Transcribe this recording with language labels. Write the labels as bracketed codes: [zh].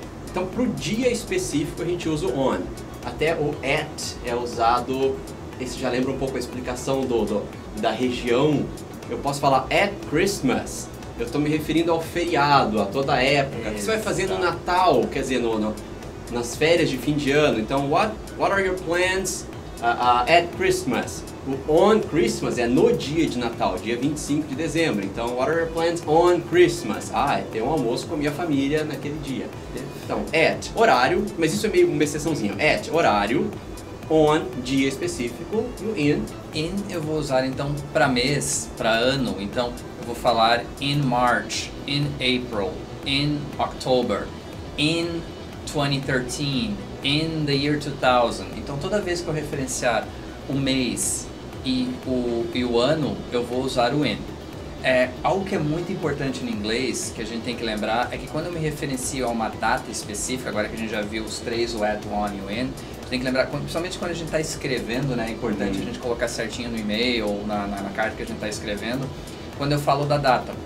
[pt] Então, para o dia específico, a gente usa o on. Até o at é usado, esse já lembra um pouco a explicação da região. Eu posso falar at Christmas, eu estou me referindo ao feriado, a toda a época. O que você vai fazer no Natal, quer dizer, nas férias de fim de ano? [en] Então, what are your plans at Christmas? [pt] O on Christmas é no dia de Natal, dia 25 de dezembro. [en] Então, what are your plans on Christmas? [pt] Tem um almoço com a minha família naquele dia. Então, at, horário, mas isso é meio uma exceçãozinha. At, horário, on, dia específico, e o in. In eu vou usar, então, para mês, para ano. Então, eu vou falar [en] in March, in April, in October, in 2013, in the year 2000. [pt] Então, toda vez que eu referenciar o mês e o ano, eu vou usar o in. Algo que é muito importante no inglês, que a gente tem que lembrar, é que quando eu me referencio a uma data específica, agora que a gente já viu os três, o at, o on e o in, tem que lembrar, principalmente quando a gente está escrevendo, né, é importante a gente colocar certinho no e-mail ou na carta que a gente está escrevendo, quando eu falo da data.